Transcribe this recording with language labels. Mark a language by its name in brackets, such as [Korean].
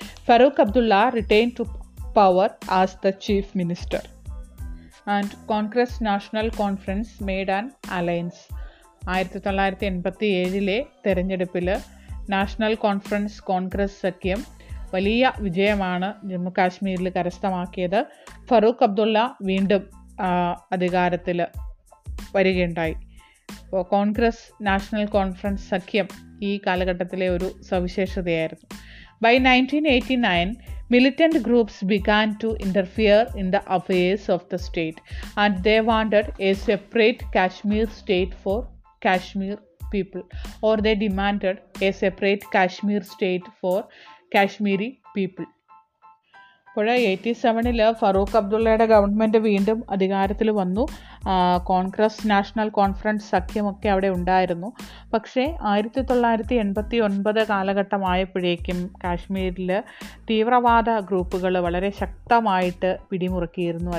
[English] Farooq Abdullah retained to power as the chief minister. And Congress National Conference made an alliance. [Malayalam] 1987-ലെ തെരഞ്ഞെടുപ്പിൽ national conference Congress സഖ്യം വലിയ വിജയമാണ് ജമ്മുകാശ്മീരിൽ കരസ്ഥമാക്കിയത്. ഫറൂഖ് അബ്ദുള്ള വീണ്ടും അധികാരത്തിൽ വരികയുണ്ടായി. അപ്പോൾ കോൺഗ്രസ് നാഷണൽ കോൺഫറൻസ് സഖ്യം ഈ കാലഘട്ടത്തിലെ ഒരു സവിശേഷതയായിരുന്നു. [English] By 1989 militant groups began to interfere in the affairs of the state and they wanted a separate Kashmir state for Kashmir people, or they demanded a separate Kashmir state for Kashmiri people. [Malayalam] ഇപ്പോഴ 87-ല് Farooq അബ്ദുള്ളയുടെ government വീണ്ടും അധികാരത്തിൽ വന്നു. Congress national conference സഖ്യമൊക്കെ അവിടെ ഉണ്ടായിരുന്നു. പക്ഷേ 1989 കാലഘട്ടമായപ്പോഴേക്കും കാശ്മീരിൽ തീവ്രവാദ ഗ്രൂപ്പുകൾ വളരെ ശക്തമായിട്ട് പിടിമുറുക്കിയിരുന്നു.